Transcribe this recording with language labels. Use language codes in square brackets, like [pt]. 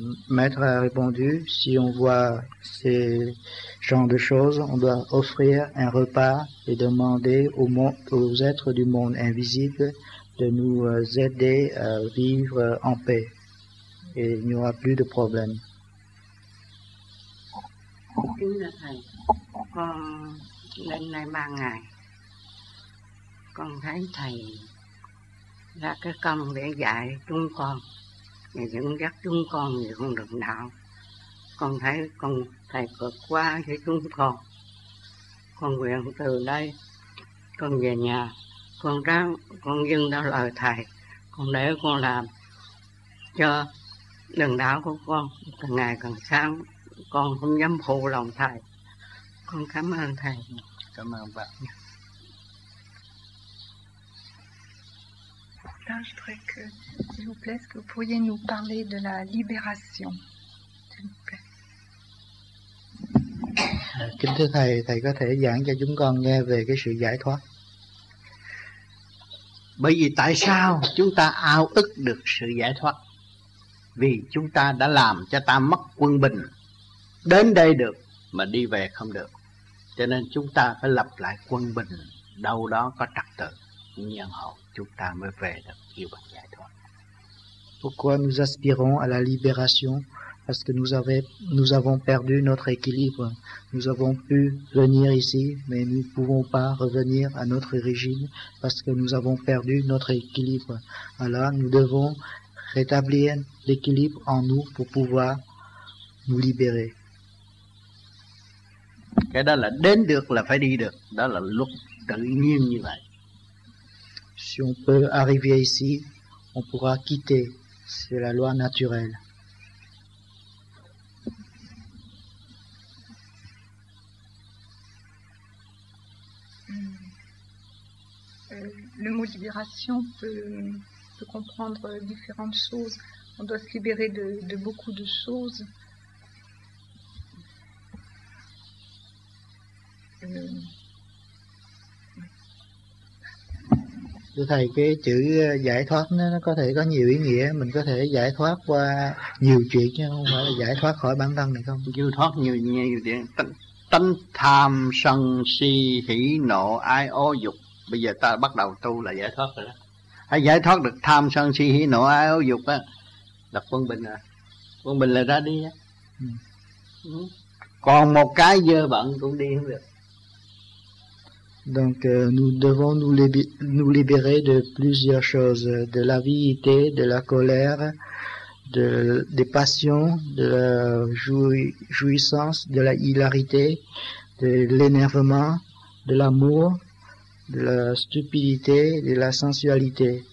[fr] Maître a répondu, si on voit ces genres de choses, on doit offrir un repas et demander aux êtres du monde invisible de nous aider à vivre en paix. Et il n'y aura plus de problème. [vi] Kính thưa thầy, con lên đây 3 ngày, con thấy thầy ra cái công để dạy chúng con và dẫn dắt chúng con về con đường đạo. Con thấy con thầy vượt qua cho chúng con. Con nguyện từ đây con về nhà, con ráng con dâng đạo lời thầy, con để con làm cho đường đạo của con càng ngày càng sáng. Con không dám phụ lòng thầy. Con cảm ơn thầy. Cảm ơn bạn. [fr] Là, je voudrais que, s'il vous plaît, que vous pourriez nous parler de la libération. S'il vous plaît. [vi] Kính thưa thầy, thầy có thể giảng cho chúng con nghe về cái sự giải thoát. Bởi vì tại sao chúng ta ao ức được sự giải thoát? Vì chúng ta đã làm cho ta mất quân bình. Đến đây được mà đi về không được. Cho nên chúng ta phải lập lại quân bình, đâu đó có trật tự, nhân hậu chúng ta mới về được kêu bằng giải thoát. [fr] Pourquoi nous aspirons à la libération? Parce que nous avons perdu notre équilibre. Nous avons pu venir ici, mais nous ne pouvons pas revenir à notre origine parce que nous avons perdu notre équilibre. Alors nous devons rétablir l'équilibre en nous pour pouvoir nous libérer. [vi] Cái đó là đến được là phải đi được, đó là luật tự nhiên như vậy. [fr] Si on peut arriver ici, on pourra quitter, c'est la loi naturelle. Le mot libération peut comprendre différentes choses. On doit se libérer de beaucoup de choses. [vi] Thưa thầy, cái chữ giải thoát nó có thể có nhiều ý nghĩa. Mình có thể giải thoát qua nhiều chuyện chứ không phải là giải thoát khỏi bản thân này không? Giải thoát nhiều chuyện. Tánh tham sân si hỷ nộ ái ố dục. Bây giờ ta bắt đầu tu là giải thoát rồi đó. Hãy giải thoát được tham sân si hỷ nộ ái ố dục á, là quân bình à. Quân bình là ra đi á. Còn một cái dơ bẩn cũng đi không được. [fr] Donc nous devons nous libérer de plusieurs choses, de l'avidité, de la colère, des passions, de la jouissance, de la hilarité, de l'énervement, de l'amour, de la stupidité, de la sensualité.